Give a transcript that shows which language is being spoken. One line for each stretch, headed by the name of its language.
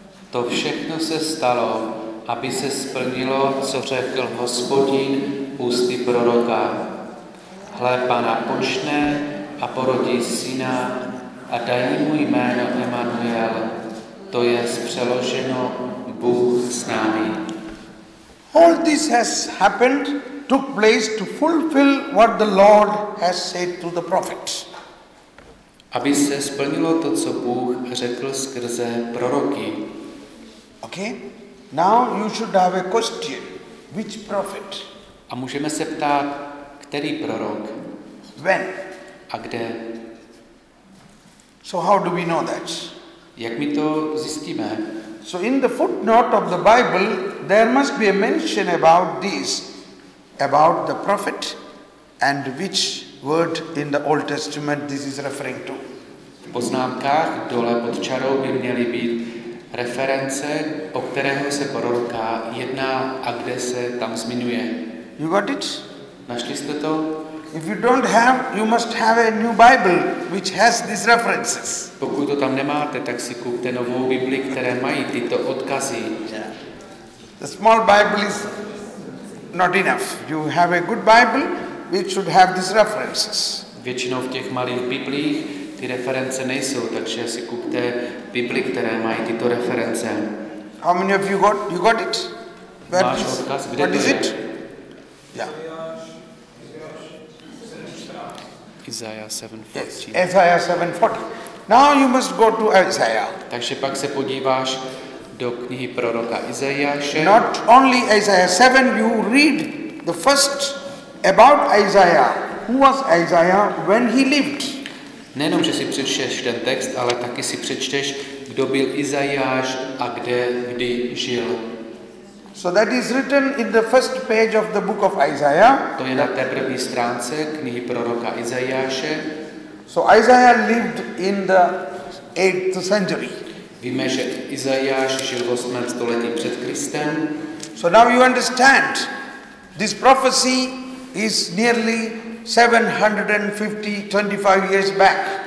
Czech: To všechno se stalo, aby se splnilo, co řekl Hospodin ústy proroka. chléba napočne a porodí syna a dají mu jméno Emanuel, to je přeloženo Bůh s námi.
English: All this has happened, took place to fulfill what the Lord has said through the prophets.
Czech: Aby se splnilo to, co Bůh řekl skrze proroky.
English: Okay, now you should have a question. Which prophet?
Czech: A můžeme se ptát, který prorok?
English: When?
Czech: A kde?
English: So how do we know that?
Czech: Jak my to zjistíme?
English: So in the footnote of the Bible, there must be a mention about this, about the prophet and which word in the Old Testament this is referring to.
Czech: V poznámkách dole pod čarou by měly být reference, o kterého se proroka jedná a kde se tam zmiňuje.
English: You got it?
Czech: Našli jste to?
English: If you don't have, you must have a new Bible which has these references.
Czech: Pokud to tam nemáte, tak si kupte novou Bibli, které mají tyto odkazy.
English: The small Bible is not enough. You have a good Bible which should have these references.
Czech: Většinou v těch malých Biblích ty reference nejsou, takže si kupte Bibli, které mají tyto reference.
English: How many of you got? You got it? Where
Czech: máš odkaz? Kde what to is je?
English: It? Isaiah 7:14. Yes, Isaiah 7:14. Now you must go to Isaiah.
Czech: Takže pak se podíváš do knihy proroka Izajáše.
English: Not only Isaiah 7, you read the first about Isaiah. Who was Isaiah when he lived?
Czech: Nejenom, že si přečteš ten text, ale taky si přečteš, kdo byl Izajáš a kde, kdy žil.
English: So that is written in the first page of the book of Isaiah.
Czech: To je na té první stránce knihy proroka Izajáše.
English: So Isaiah lived in the 8th century.
Czech: Víme, že Izajáš žil v 8. století před Kristem.
English: So now you understand. This prophecy is nearly 725 years back.